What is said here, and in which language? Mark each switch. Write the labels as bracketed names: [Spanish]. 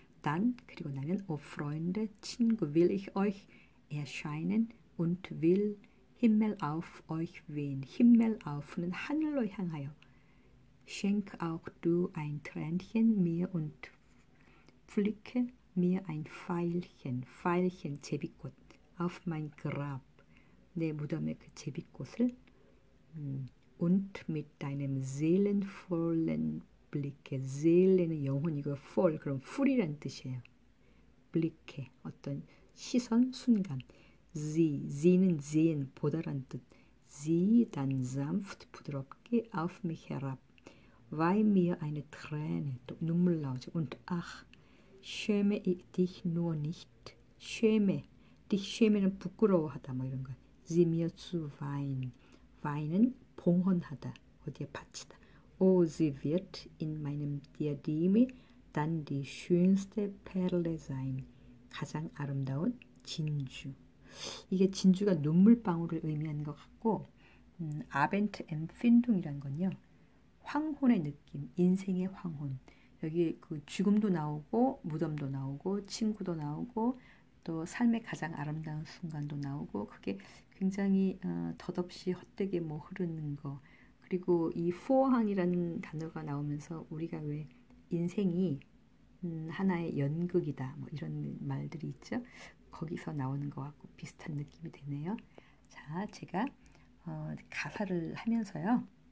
[Korean] 난 그리고 나는 [German] O Freunde, 친구, will ich euch erscheinen und will Himmel auf euch wehen. [Korean] Himmel auf는 하늘로 향하여. [German] Schenk auch du ein Tränchen mir und Pflücke mir ein Veilchen, Veilchen, 제비꽃, auf mein Grab, [Korean] 내 무덤에 그 제비꽃을, [German] und mit deinem seelenvollen Blicke, Seelen은 영혼이고, voll, 그럼 full이란 뜻이에요. Blicke, 어떤 시선, 순간, sie는 sehen, 보다란 뜻, sie dann sanft, 부드럽게, auf mich herab, weil mir eine Träne, [Korean] 또 눈물 나오죠, [German] und ach, Schäme ich dich nur nicht. Schäme. [Korean] Dich schämen은 부끄러워하다. 뭐 이런 거. [German] Sie mir zu weinen. [Korean] Weinen, 봉헌하다. 어디에 바치다. [German] Oh, sie wird in meinem Diadem dann die schönste Perle sein. [Korean] 가장 아름다운 진주. 이게 진주가 눈물방울을 의미하는 것 같고, Abend Empfindung이란 건요. 황혼의 느낌. 인생의 황혼. 여기 그 죽음도 나오고 무덤도 나오고 친구도 나오고 또 삶의 가장 아름다운 순간도 나오고 그게 굉장히 덧없이 헛되게 뭐 흐르는 거 그리고 이 포항이라는 단어가 나오면서 우리가 왜 인생이 하나의 연극이다 뭐 이런 말들이 있죠 거기서 나오는 것 같고 비슷한 느낌이 되네요 자 제가 가사를 하면서요.